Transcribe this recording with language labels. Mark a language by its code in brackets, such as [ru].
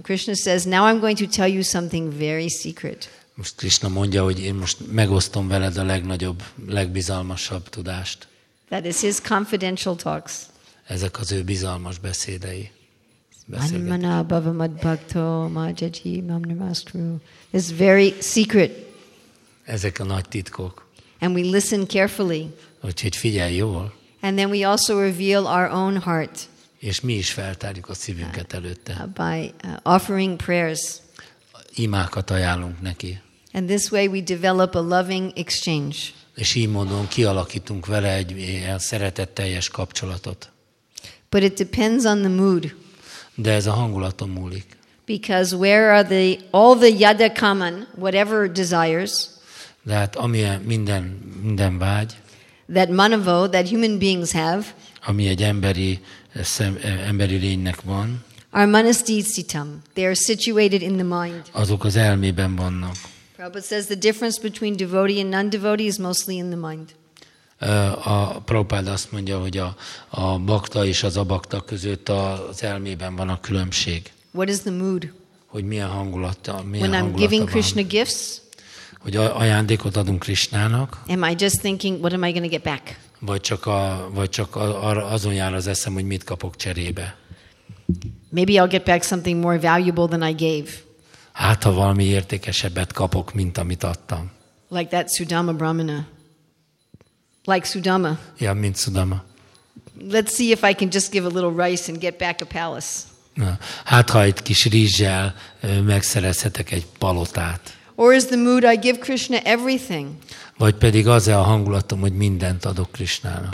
[en] Krishna says, now I'm going to tell you something very secret. [hu] Most Krishna mondja, hogy én most megosztom veled a legnagyobb, legbizalmasabb tudást. [en] That is his confidential talks. [hu] Ezek az ő bizalmas beszédei. [sa] Anmana bhavamad bhakto majaji mam namastru. [en] It's very secret. [hu] Ezek a nagy titkok. [en] And we listen carefully. [hu] Úgyhogy figyelj jól. [en] And then we also reveal our own heart. [hu] És mi is feltárjuk a szívünket előtte. [en] By offering prayers. [hu] Imákat ajánlunk neki. [en] And this way we develop a loving exchange. [hu] És így módon kialakítunk vele egy ilyen szeretetteljes kapcsolatot. [en] But it depends on the mood. [hu] De ez a hangulaton múlik. [en] Because where are the all the [sa] yada kaman, [en] whatever desires? [hu] De hát ami minden vágy. [en] That manavo that human beings have. [hu] Ami egy emberi lénynek van. [en] Are manasdhisitam. They are situated in the mind. [hu] Azok az elmében vannak. [en] Prabhupada says the difference between devotee and non-devotee is mostly in the mind. [hu] A Prabhupada azt mondja, hogy a bhakta és az abhakta között az elmében van a különbség. [en] What is the mood? [hu] Hogy milyen hangulata, [en] when I'm giving Krishna gifts. [hu] Hogy ajándékot adunk Krishnának. [en] Am I just thinking, what am I going to get back? [hu] Vagy csak azon jár az eszem, hogy mit kapok cserébe. [en] Maybe I'll get back something more valuable than I gave. [hu] Hát, ha valami értékesebbet kapok, mint amit adtam. [en] Like that Sudama Brahmana. Like Sudama. [hu] Ja, mint Sudama. [en] Let's see if I can just give a little rice and get back a palace. [hu] Na, hát, ha egy kis rizssel megszerezhetek egy palotát. [en] Or is the mood I give Krishna everything? [hu] Vagy pedig az-e a hangulatom, hogy mindent adok Krishnának.